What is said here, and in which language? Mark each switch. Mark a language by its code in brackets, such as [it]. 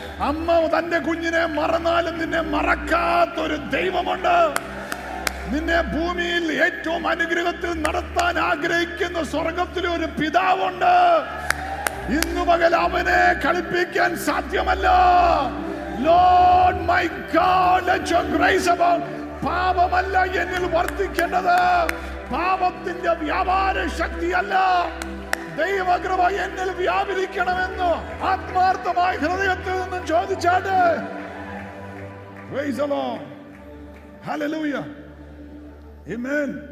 [ml] അമ്മ തന്റെ കുഞ്ഞിനെ മറന്നാലും നിന്നെ മറക്കാത്ത ഒരു ദൈവമുണ്ട്, നിന്നെ ഭൂമിയിൽ ഏറ്റവും അനുഗ്രഹത്തിൽ നടത്താൻ ആഗ്രഹിക്കുന്ന സ്വർഗത്തിലെ ഒരു പിതാവുണ്ട്. ഇന്നു മുതൽ അവനെ കളിപ്പിക്കാൻ സാധ്യമല്ല. [en] Lord, my God, let your grace abound. [ml] പാപമല്ല എന്നിൽ വർദ്ധിക്കേണ്ടത്, പാപത്തിന്റെ വ്യാപാര ശക്തിയല്ല, ദൈവകൃപ എന്നിൽ വ്യാപരിക്കണമെന്ന് ആത്മാർത്ഥമായി ഹൃദയത്തിൽ നിന്നും ചോദിച്ചാട്ടെ. [en] Praise the Lord. Hallelujah. Amen.